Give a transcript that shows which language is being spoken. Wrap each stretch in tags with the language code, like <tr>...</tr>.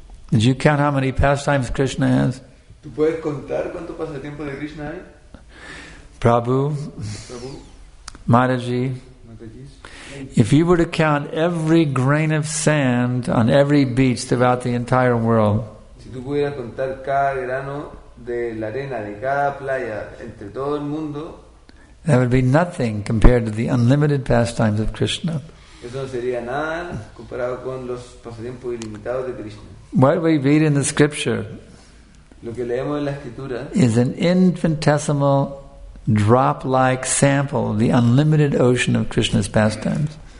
<en>Did you count how many pastimes Krishna has?</en> <es>¿Tú puedes contar cuánto pasatiempo de Krishna hay?</es> <en>Prabhu, Mataji, if you were to count every grain of sand on every beach throughout the entire world,</en> <es>si tú pudieras contar cada grano de la arena de cada playa entre todo el mundo,</es> <en>that would be nothing compared to the unlimited pastimes of Krishna.</en> <es>Eso no sería nada comparado con los pasatiempos ilimitados de Krishna.</es> <en>What we read in the scripture,</en> <es>lo que leemos en la escritura,</es> <en>is an infinitesimal drop-like sample of the unlimited ocean of Krishna's pastimes.</en>